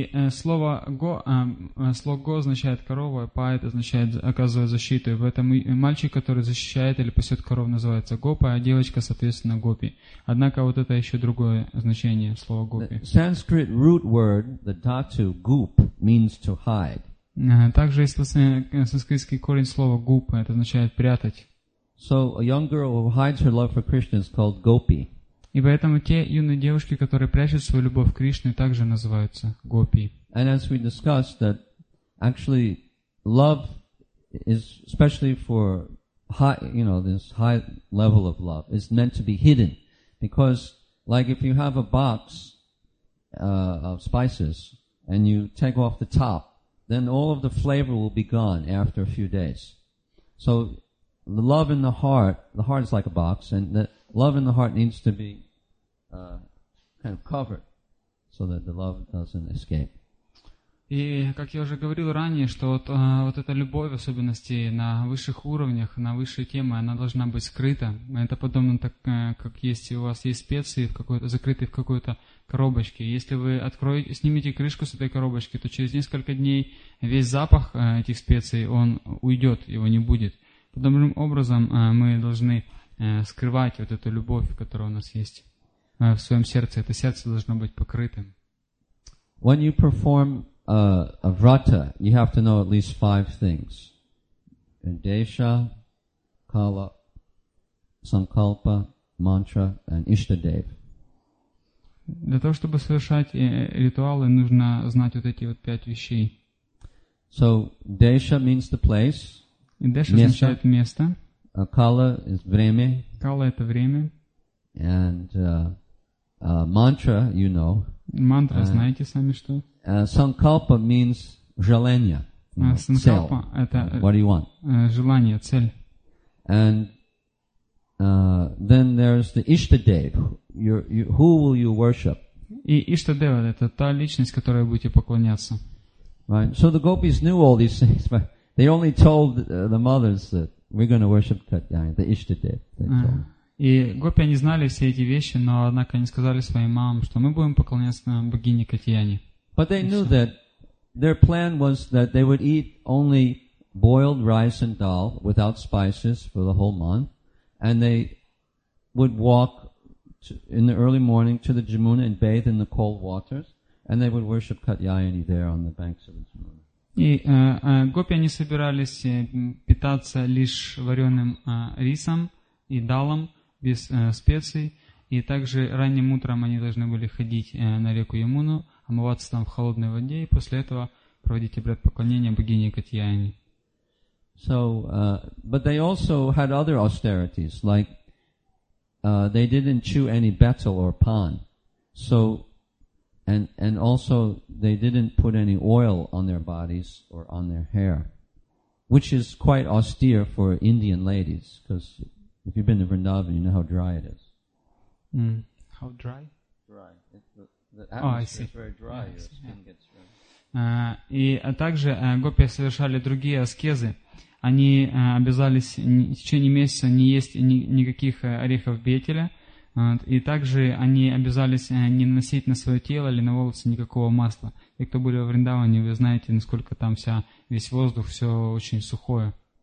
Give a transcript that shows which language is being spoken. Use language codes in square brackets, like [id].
[ru] Слово go означает корова, и pa означает оказывать защиту. И в этом мальчик, который защищает или пасет коров, называется гопа, а девочка, соответственно, гопи. Однако вот это еще другое значение слова гопи. [en] The Sanskrit root word, the dhatu, gup, means to hide. [ru] Также есть санскритский корень слова гуп, это означает прятать. [en] So a young girl who hides her love for Krishna is called gopi. [ru] И поэтому те юные девушки, которые прячут свою любовь к Кришне, также называются гопи. [en] And as we discussed, that actually love is, especially for high, you know, this high level of love, is meant to be hidden. Because, like, if you have a box of spices and you take off the top, then all of the flavor will be gone after a few days. So the love in the heart is like a box, and the love in the heart needs to be kind of covered so that the love doesn't escape. [ru] И, как я уже говорил ранее, что вот, вот эта любовь, в особенности на высших уровнях, на высшей теме, она должна быть скрыта. Это подобно так, как есть у вас есть специи, в какой-то, закрытые в какой-то коробочке. Если вы откроете, снимете крышку с этой коробочки, то через несколько дней весь запах этих специй, он уйдет, его не будет. Подобным образом мы должны скрывать вот эту любовь, которая у нас есть в своем сердце. Это сердце должно быть покрытым. [en] When you perform a vrata, you have to know at least five things: Desha, Kala, Sankalpa, Mantra, and Ishtadev. [ru] Для того, чтобы совершать ритуалы, нужно знать вот эти вот пять вещей. [en] So Desha means the place. [ru] Desha означает место. [en] Kala is [ru] время. Kala — это время. [en] And Mantra, you know. [ru] Мантра, знаете сами что? [en] Санкалпа means [ru] желание. Санкалпа — это [en] what do you want? [ru] Желание, цель. [en] And then there's the Ishtadev. Who will you worship? [ru] И Ishtadev — это та личность, которой будете поклоняться. [en] Right. So the gopis knew all these things, but they only told the mothers that we're going to worship Katyayana, the Ishtadev. [ru] И гопи, они знали все эти вещи, но, однако, они сказали своим мамам, что мы будем поклоняться на богине Катьяне. [en] But they knew that their plan was that they would eat only boiled rice and dal without spices for the whole month, and they would walk in the early morning to the Jamuna and bathe in the cold waters, and they would worship Katyayani there on the banks of the Jamuna. [ru] И гопи, они собирались питаться лишь вареным рисом и далом без специй, и также ранним утром они должны были ходить на реку Ямуну, омываться там в холодной воде, и после этого проводить обряд поклонения богине Катьяйне. [en] So, but they also had other austerities, like they didn't chew any betel or pan. So, and also they didn't put any oil on their bodies or on their hair, which is quite austere for Indian ladies, because if you've been to Vrindavan, you know how dry it is. How dry? Dry. The atmosphere is very dry. Your skin gets dry. [ru] И также гопи совершали другие аскезы. Они обязались в течение месяца не есть никаких орехов бетеля. И также они обязались не наносить на свое тело или на волосы никакого масла. И кто были в Вриндаване, вы знаете, насколько там вся весь воздух, все очень сухое.